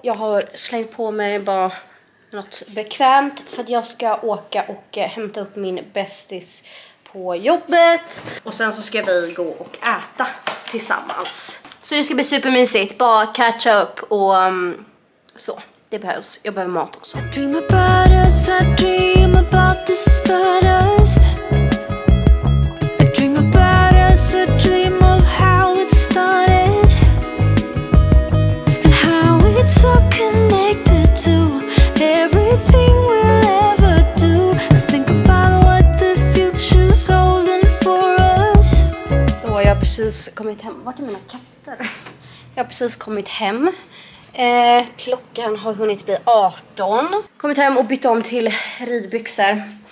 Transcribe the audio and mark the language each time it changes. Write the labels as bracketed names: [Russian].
[Swedish] Jag har slängt på mig bara något bekvämt för att jag ska åka och hämta upp min bästis på jobbet. Och sen så ska vi gå och äta tillsammans. Så det ska bli supermysigt, bara catch up och så. Det behövs, jag behöver mat också. [English] I dream about us, I dream about the stardust. I dream about us, I dream of how it started. And how it's all connected to everything we'll ever do. I think about what the future's holding for us. [Swedish] Så jag har precis kommit hem, vart är mina katter? Jag har precis kommit hem. Klockan har hunnit bli 18. Kommit hem och bytt om till ridbyxor.